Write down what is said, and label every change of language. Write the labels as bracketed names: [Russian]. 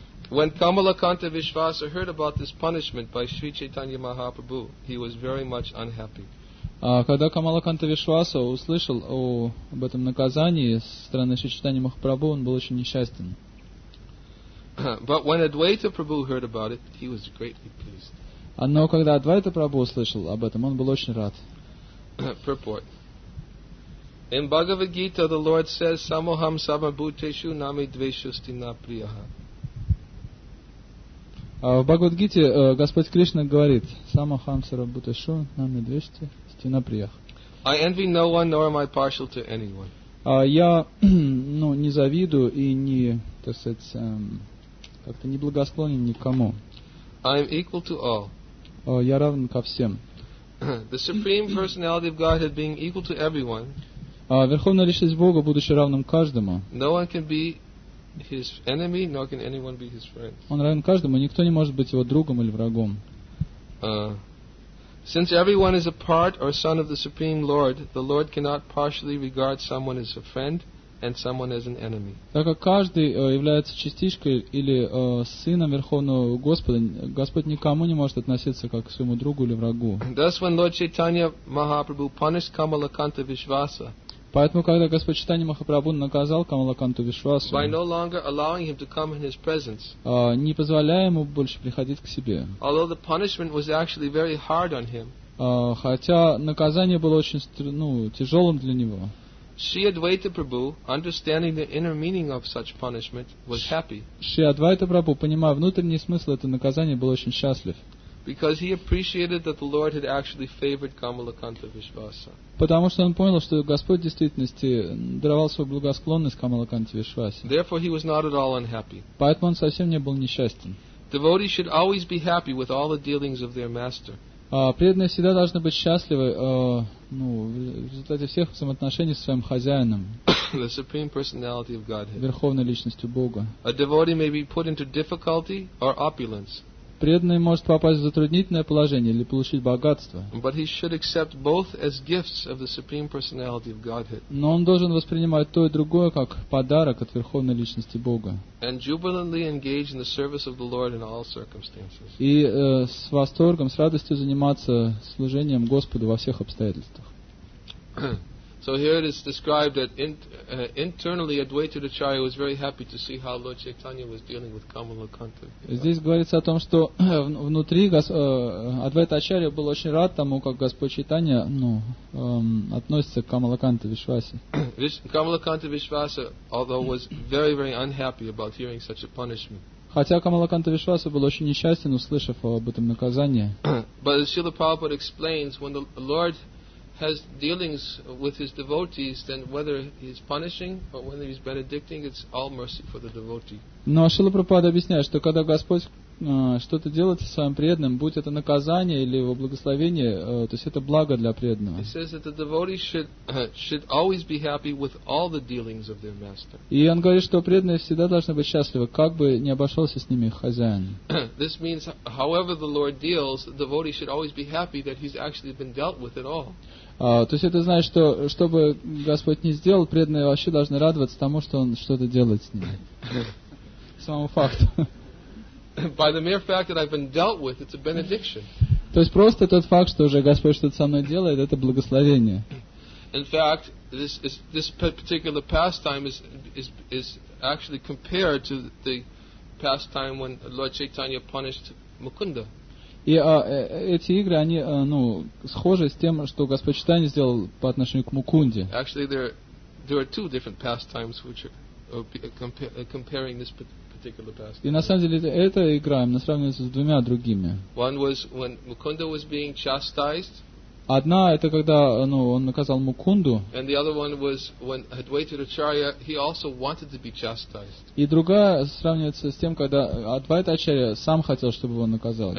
[English] When Kamalakanta Vishvasa heard about this punishment by Sri Chaitanya Mahaprabhu, he was very much unhappy. [Russian] Когда Камалаканта Вишваса услышал об этом наказании со стороны Шри Чайтаньи Махапрабху, он был очень несчастен. [English] But when Advaita Prabhu heard about it, he was greatly pleased. [Russian] Но когда Адвайта Прабху услышал об этом, он был очень рад. [English] Purport. In Bhagavad Gita, the Lord says, [Sanskrit] Samoham Sabhabhuteshu Nami Dveshusti Napriyaha. [Russian] В Бхагавад Гите Господь Кришна говорит, [Sanskrit] Самохам Сарабхутешу Нами Двешти. [English] I envy no one, nor am I partial to anyone. [Russian] Я, ну, не завидую и не, так сказать, как-то не благосклонен никому. [English] I am equal to all. [Russian] Я равен ко всем. [English] The Supreme Personality of Godhead being equal to everyone. [Russian] Верховная личность Бога, будучи равным каждому. [English] No one can be his enemy, nor can anyone be his friend. [Russian] Он равен каждому, никто не может быть его другом или врагом. [English] Since everyone is a part or son of the Supreme Lord, the Lord cannot partially regard someone as a friend and someone as an enemy. [Russian] Так как каждый является частичкой или сыном Верховного Господа, Господь никому не может относиться как к своему другу или врагу. [English] Thus, when Lord Chaitanya Mahaprabhu punished Kamalakanta Vishvasa, [Russian] поэтому когда Господь Чайтанья Махапрабху наказал Камалаканту Вишвасу, [English] by no longer allowing him to come in his presence, [Russian] не позволяя ему больше приходить к себе, [English] although the punishment was actually very hard on him, [Russian] хотя наказание было очень, ну, тяжелым для него, [English] Sri Advaita Prabhu, understanding the inner meaning of such punishment, was happy. [Russian] Sri Advaita Prabhu, понимая внутренний смысл этого наказания, был очень счастлив. [English] Because he appreciated that the Lord had actually favored Kamalakanta Vishvasa. [Russian] Потому что он понял, что Господь в действительности даровал свою благосклонность Камалаканте Вишвасе. [English] Therefore, he was not at all unhappy. [Russian] Поэтому он совсем не был несчастен. [English] Devotees should always be happy with all the dealings of their master. [Russian] Преданные всегда должны быть счастливы, ну, в результате всех взаимоотношений со своим хозяином. [English] The Supreme Personality of Godhead. [Russian] Верховной личностью Бога. [English] A devotee may be put into difficulty or opulence. [Russian] Преданный может попасть в затруднительное положение или получить богатство. [English] But he should accept both as gifts of the Supreme Personality of Godhead. [Russian] Но он должен воспринимать то и другое как подарок от Верховной Личности Бога. [English] And jubilantly engage in the service of the Lord in all circumstances. [Russian] И с восторгом, с радостью заниматься служением Господу во всех обстоятельствах. [English] So here it is described that internally Advaita Acharya was very happy to see how Lord Chaitanya was dealing with Kamalakanta. [Russian] Здесь говорится о том, что внутри Адвайта Ачарья был очень рад тому, как Господь Чайтанья относится к Камалаканте Вишвасе. [English] Камалаканта Вишваса, although was very, very unhappy about hearing such a punishment. [Russian] Хотя Камалаканта Вишваса был очень несчастен, услышав об этом наказании. [English] But as Srila Prabhupada explains, when the Lord has dealings with his devotees, then whether he's punishing or whether he's benedicting, it's all mercy for the devotee. [Russian] Но Шрила Прабхупада объясняет, что когда Господь что-то делает со своим преданным, будь это наказание или его благословение, то есть это благо для преданного. [English] He says that the devotee should always be happy with all the dealings of their master. [Russian] И он говорит, что преданные всегда должны быть счастливы, как бы ни обошелся с ними хозяин. [English] This means, however the Lord deals, the devotee should always be happy that he's actually been dealt with at all. [Russian] То есть это значит, что что бы Господь ни сделал, преданные вообще должны радоваться тому, что Он что-то делает с ними. Самому факту. [English] By the mere fact that I've been dealt with, it's a benediction. [Russian] То есть просто тот факт, что уже Господь что-то со мной делает, это благословение. [English] In fact, this particular pastime is actually compared to the pastime when Lord Chaitanya punished Mukunda. [Russian] И эти игры, они схожи с тем, что Господь Чайтанья сделал по отношению к Мукунде. [English] Actually, there are two different pastimes which are comparing this particular pastime. [Russian] И на самом деле эта игра именно сравнивается с двумя другими. [English] One was when Mukunda was being chastised. [Russian] Одна это когда он наказал Мукунду. [English] And the other one was when Advaita Acharya, he also wanted to be chastised. [Russian] И другая сравнивается с тем, когда Адвайта Ачарья сам хотел, чтобы его наказали.